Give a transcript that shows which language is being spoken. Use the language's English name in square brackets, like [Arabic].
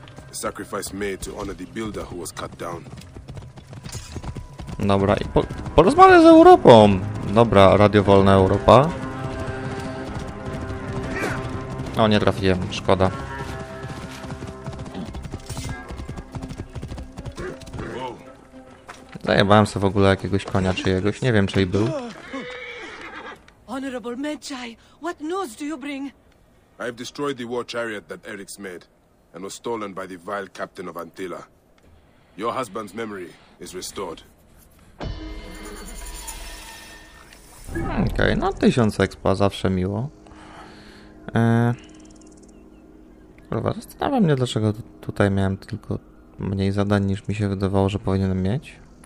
[English] A sacrifice made to honor the builder who was cut down. [Polish] Dobra, i porozmawiaj z Europą. Dobra, Radio Wolna Europa. O, nie trafiłem, szkoda. Zajebałem sobie w ogóle jakiegoś konia czyjegoś, nie wiem czyj był. [English] Honorable Magi, what news do you bring? I have destroyed the war chariot that Eryx made, and was stolen by the vile captain of Antilla. Your husband's memory is restored. [Polish] Okej, no 1000 expa, zawsze miło. Kurwa, zastanawiam mnie, dlaczego tutaj miałem tylko mniej zadań, niż mi się wydawało, że powinienem mieć.